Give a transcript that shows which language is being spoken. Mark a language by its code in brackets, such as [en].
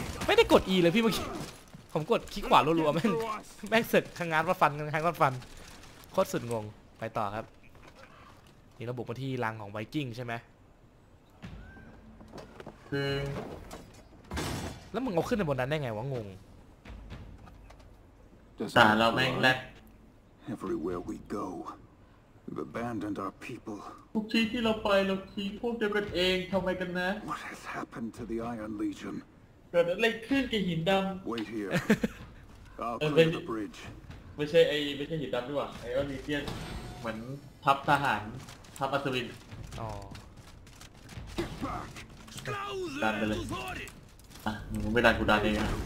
[th] ไม่ได้กด E เลยพี่เมื่อกี้ผมกดคลิกขวารัวๆแม่งเสร็จข้างง้างรัดฟันข้างง้างรัดฟันโคตรสุดงงไปต่อครับนี่ระบุมาที่รังของไวกิ้งใช่ไหม คือ แล้วมึงเอาขึ้นในบนนั้นได้ไงวะงง แต่เราแม่งแรก [en] Everywhere we go we've abandoned our people [th] ทุกที่ที่เราไปเราทิ้งพวกเดียวกันเองทำไมกันนะ [en] What has happened to the Iron Legion [th] เกิดอะไรขึ้นกับหินดำ [en] Wait here I'll clear the bridge [th] ไม่ใช่หินดำด้วยไอออนลีเจียนเหมือนทัพทหารทัพอัศวินดันไปเลยมึงไม่ดันกูดันเอง